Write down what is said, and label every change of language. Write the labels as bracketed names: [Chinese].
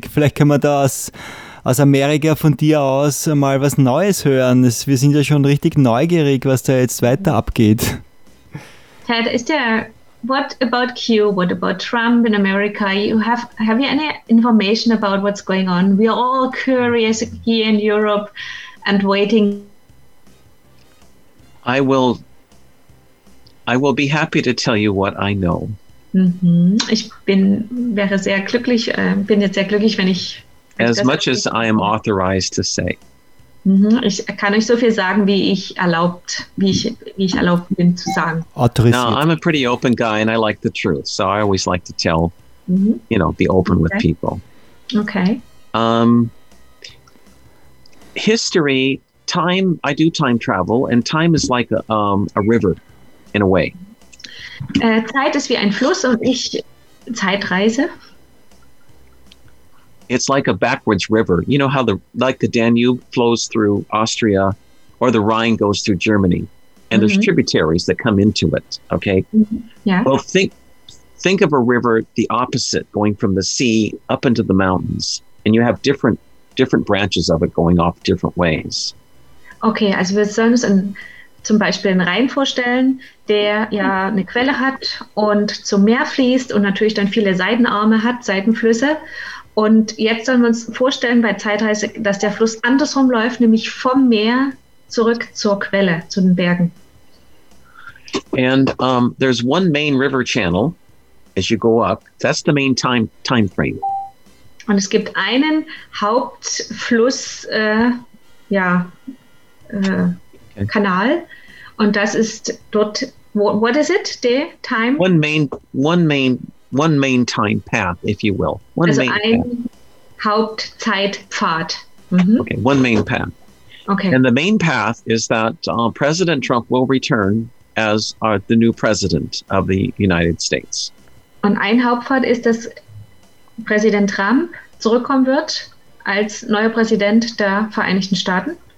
[German] Vielleicht kann man da aus Amerika von dir aus mal was Neues hören. Wir sind ja schon richtig neugierig, was da jetzt weiter abgeht. [English] Ted, [German] ist der. [English] What about Q? What about Trump in America? Have you any information about what's going on? We are all curious here in Europe and waiting. I will be happy to tell you what I know. [German] Mm-hmm. Bin jetzt sehr glücklich, wenn ich [English] as much as I am authorized to say. Mm-hmm. [German] Ich kann euch so viel sagen, wie ich erlaubt bin zu sagen. Autorisiert. [English] No, I'm a pretty open guy and I like the truth, so I always like to tell, mm-hmm. Be open okay. with people. Okay. History, time. I do time travel, and time is like a river, in a way. [German] Zeit ist wie ein Fluss und ich Zeitreise. [English] It's like a backwards river. You know how the Danube flows through Austria or the Rhine goes through Germany and mm-hmm. there's tributaries that come into it, okay? Mm-hmm. Yeah. Well, think of a river the opposite, going from the sea up into the mountains, and you have different branches of it going off different ways. [German] Okay, also wir sollen uns zum Beispiel einen Rhein vorstellen, der ja eine Quelle hat und zum Meer fließt und natürlich dann viele Seitenarme hat, Seitenflüsse. Und jetzt sollen wir uns vorstellen bei Zeitreise, dass der Fluss andersrum läuft, nämlich vom Meer zurück zur Quelle, zu den Bergen. [English] And there's one main river channel as you go up. That's the main time frame. [German] Und es gibt einen Hauptfluss, Kanal. Und das ist dort, [English] what is it, the time? One main time path, if you will. One [German] also [English] main [German] ein path. Hauptzeitpfad. Mm-hmm. [English] Okay, one main path. Okay. And the main path is that President Trump will return as the new president of the United States. [German] Und ein Hauptpfad ist, dass Präsident Trump zurückkommen wird als neuer Präsident der Vereinigten Staaten.